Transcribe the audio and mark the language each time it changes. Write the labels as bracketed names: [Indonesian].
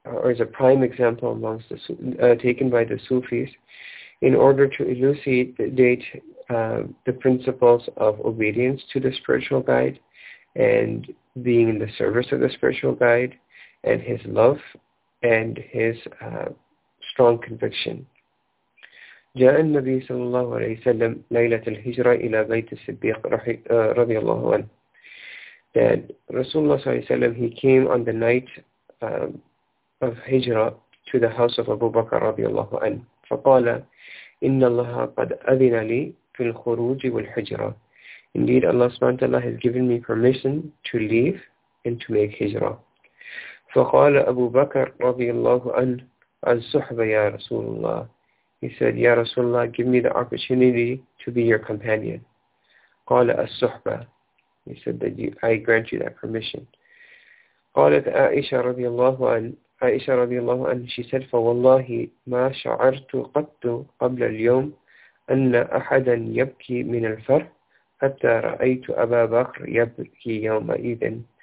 [English] is a prime example amongst the taken by the Sufis in order to elucidate the principles of obedience to the spiritual guide and being in the service of the spiritual guide and his love and his strong conviction. [Arabic] جاء النبي صلى الله عليه وسلم ليلة الهجرة إلى بيت الصديق رضي الله عنه. [English] that Rasulullah Sallallahu Alaihi Wasallam, he came on the night of Hijrah to the house of Abu Bakr radiallahu anhu. [Arabic] فَقَالَ إِنَّ اللَّهَ قَدْ أَذِنَ لِي فِي الْخُرُوجِ وَالْحِجْرَةِ. [English] Indeed, Allah subhanahu wa ta'ala has given me permission to leave and to make hijrah. [Arabic] فَقَالَ أَبُو بَكَرَ رَضِيَ اللَّهُ عَنْهُ الصُّحْبَ يَا رَسُولُ اللَّهِ. [English] He said, Ya Rasulullah, give me the opportunity to be your companion. [Arabic] قَالَ الصُّحْبَ. [English] He said, that I grant you that permission. [Arabic] قَالَتْ أَعِشَ رَضِيَ اللَّهُ عَنْهُ عائشة رضي الله عنها, [English] she said, [Arabic] فوالله ما شعرت قط قبل اليوم أن أحدا يبكي من الفرح حتى رأيت أبا بكر يبكي يومئذ.